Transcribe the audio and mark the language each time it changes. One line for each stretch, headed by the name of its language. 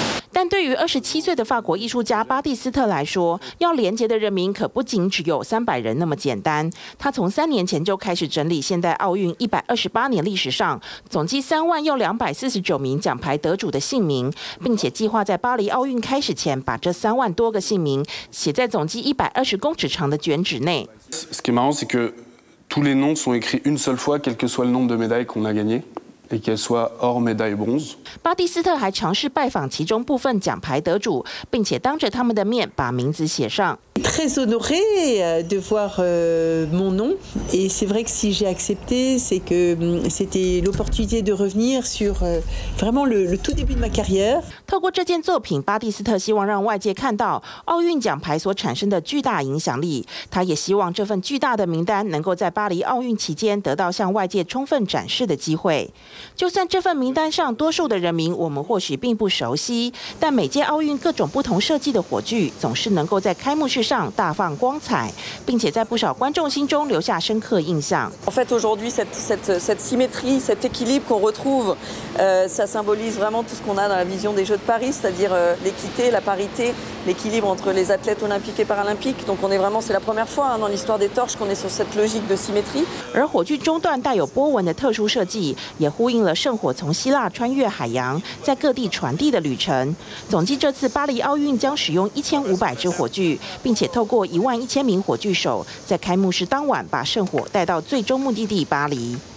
Chinese: 但对于27岁的法国艺术家巴蒂斯特来说，要连结的人民可不仅只有300人那么简单。他从3年前就开始整理现代奥运128年历史上总计36,249名奖牌得主的姓名，并且计划在巴黎奥运开始前把这30,000多个姓名写在总计120公尺长的卷纸内。
French: Ce qui est marrant, c'est que tous les noms sont écrits une seule fois, quel que soit le nombre de médailles qu'on a gagné. Et qu'elle soit hors médaille bronze.
Chinese: 巴蒂斯特还尝试拜访其中部分奖牌得主，并且当着他们的面把名字写上。
French: Très honoré de voir mon nom. Et c'est vrai que si j'ai accepté, c'est que c'était l'opportunité de revenir sur vraiment le tout début de ma carrière.
Chinese: 透过这件作品，巴蒂斯特希望让外界看到奥运奖牌所产生的巨大影响力。他也希望这份巨大的名单能够在巴黎奥运期间得到向外界充分展示的机会。就算这份名单上多数的人名我们或许并不熟悉，但每届奥运各种不同设计的火炬总是能够在开幕式上大放光彩，并且在不少观众心中留下深刻印象。
French: En fait, aujourd'hui, cette symétrie, cet équilibre qu'on retrouve, ça symbolise vraiment tout ce qu'on a dans la vision des Jeux de Paris, c'est-à-dire l'équité, la parité, l'équilibre entre les athlètes olympiques et paralympiques. Donc, on est vraiment, c'est la première fois dans l'histoire des torches qu'on est sur cette logique de symétrie.
Chinese: 而火炬中段带有波纹的特殊设计也呼应了圣火从希腊穿越海洋在各地传递的旅程。总计这次巴黎奥运将使用1500支火炬，并且透过11,000名火炬手在开幕式当晚把圣火带到最终目的地巴黎。